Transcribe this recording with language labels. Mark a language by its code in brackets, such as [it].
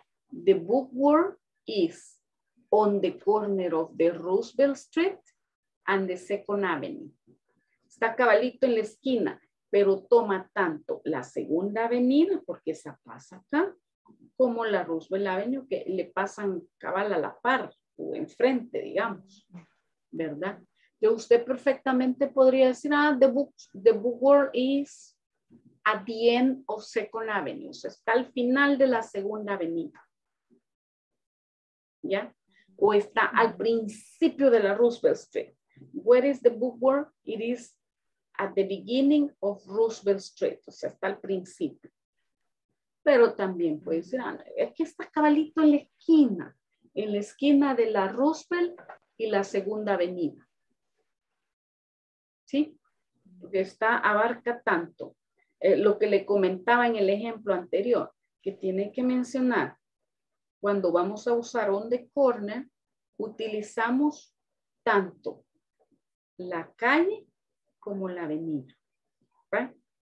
[en] The bookworm is on the corner of the Roosevelt Street and the Second Avenue. [es] Está cabalito en la esquina, pero toma tanto la Segunda Avenida, porque esa pasa acá, como la Roosevelt Avenue, que le pasan cabal a la par o enfrente, digamos. ¿Verdad? Que usted perfectamente podría decir, [en] the bookworm is at the end of Second Avenue. [es] O sea, está al final de la Segunda Avenida. ¿Ya? O está al principio de la Roosevelt Street. [en] Where is the bookworm? It is at the beginning of Roosevelt Street. [es] O sea, está al principio. Pero también puede decir, es que está cabalito en la esquina. En la esquina de la Roosevelt y la Segunda Avenida. ¿Sí? Porque está, abarca tanto. Lo que le comentaba en el ejemplo anterior, que tiene que mencionar, cuando vamos a usar [en] on the corner, [es] utilizamos tanto la calle como la avenida, ¿verdad?